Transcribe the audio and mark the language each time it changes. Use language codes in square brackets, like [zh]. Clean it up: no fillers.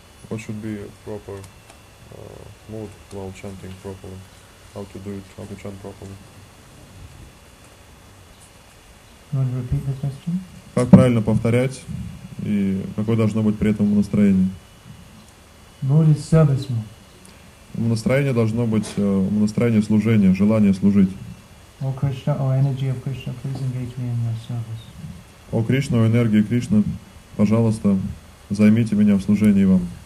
[en] What should be a proper mood while chanting properly? How to do it, how to chant properly. You want to repeat the question? [ru] Как правильно повторять и какое должно быть при этом настроение? [en] Mood is service mood. [ru] Настроение должно быть настроение служения, желание служить. [en] O Krishna, O energy of Krishna, please engage me in your service. [ru] О Кришна, о энергии Кришны, пожалуйста, займите меня в служении вам.